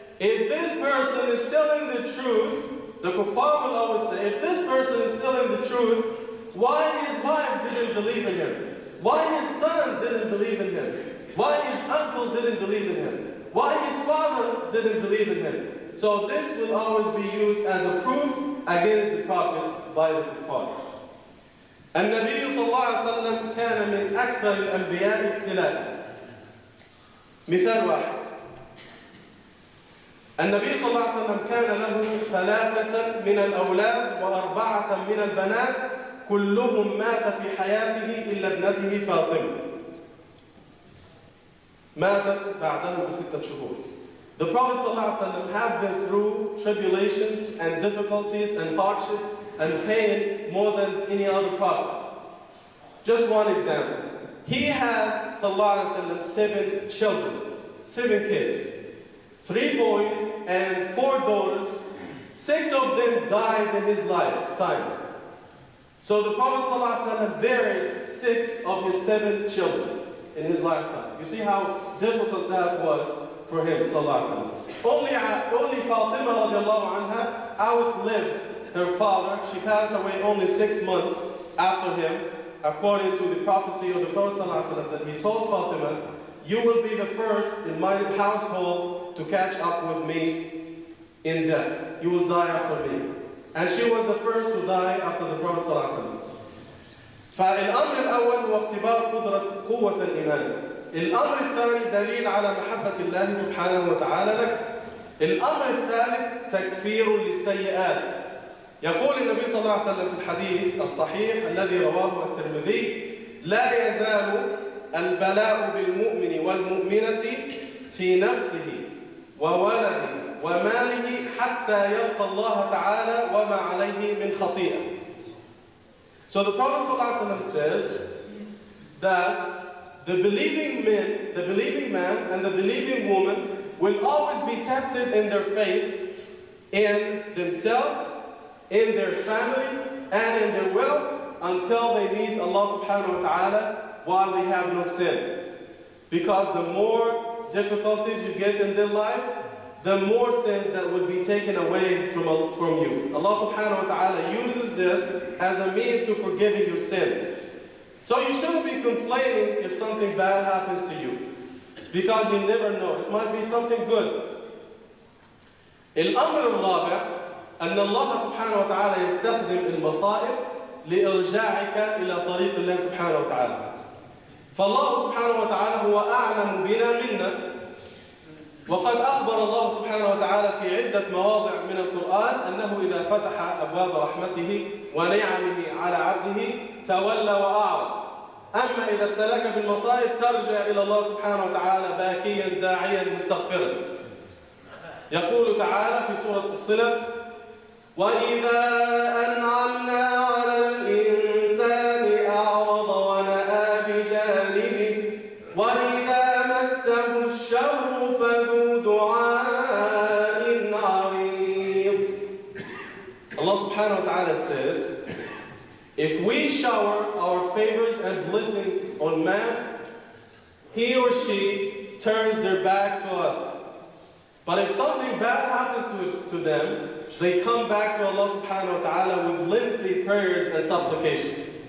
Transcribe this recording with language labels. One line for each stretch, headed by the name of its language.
English: If this person is telling the truth, the Kuffar will always say, if this person is telling the truth, why his wife didn't believe in him? Why his son didn't believe in him? Why his uncle didn't believe in him? Why his father didn't believe in him? So this will always be used as a proof against the prophets by the Kuffar.
Arabic: النبي صلى الله عليه وسلم كان من أكثر الأنبياء ابتلاء. مثال واحد. النبي صلى الله عليه وسلم كان له ثلاثة من الأولاد وأربعة من البنات كلهم مات في حياته إلا ابنته فاطمة. ماتت بعده بستة شهور.
English: The Prophet صلى الله عليه وسلم had been through tribulations and difficulties and hardship and pain more than any other prophet. Just one example. He had, sallallahu alayhi wa sallam, seven kids. Three boys and four daughters. Six of them died in his lifetime. So the Prophet sallallahu alayhi wa sallam buried six of his seven children in his lifetime. You see how difficult that was for him, sallallahu alayhi wa sallam. Only Fatima radiallahu anha outlived her father. She passed away only 6 months after him, according to the prophecy of the Prophet ﷺ, that he told Fatima, you will be the first in my household to catch up with me in death. You will die after me. And she was the first to die after the Prophet ﷺ.
Arabic: فالأمر الأول هو اختبار قدرة قوة الإيمان. الأمر الثاني دليل على محبة الله سبحانه وتعالى لك. الأمر الثالث تكفير للسيئات. يقول النبي صلى الله عليه وسلم في الحديث الصحيح الذي رواه الترمذي لا يزال البلاء بالمؤمن والمؤمنة في نفسه وولده وماله حتى يلقى الله تعالى وما عليه من خطيئة.
English: So the Prophet صلى الله عليه وسلم says that the believing man and the believing woman will always be tested in their faith, in themselves, in their family, and in their wealth, until they meet Allah subhanahu wa ta'ala while they have no sin. Because the more difficulties you get in their life, the more sins that will be taken away from you. Allah subhanahu wa ta'ala uses this as a means to forgiving your sins. So you shouldn't be complaining if something bad happens to you, because you never know. It might be something good.
Arabic: الأمر الرابع أن الله سبحانه وتعالى يستخدم المصائب لإرجاعك إلى طريق الله سبحانه وتعالى. فالله سبحانه وتعالى هو أعلم بنا منا. وقد أخبر الله سبحانه وتعالى في عدة مواضع من القرآن أنه إذا فتح أبواب رحمته ونعمه على عبده تولى وأعرض. أما إذا ابتلاك بالمصائب ترجع إلى الله سبحانه وتعالى باكيا داعيا مستغفرا. يقول تعالى في سورة فصلت وَإِذَا أَنْعَمْنَا عَلَى الْإِنسَانِ أَعْرَضَ وَنَأَى بِجَانِبِهِ وَإِذَا مَسَّهُ الشَّرُّ فَذُو دُعَاءٍ عَرِيضٍ.
English: Allah subhanahu wa ta'ala says, if we shower our favors and blessings on man, he or she turns their back to us. But if something bad happens to them, they come back to Allah subhanahu wa ta'ala with lengthy prayers and supplications.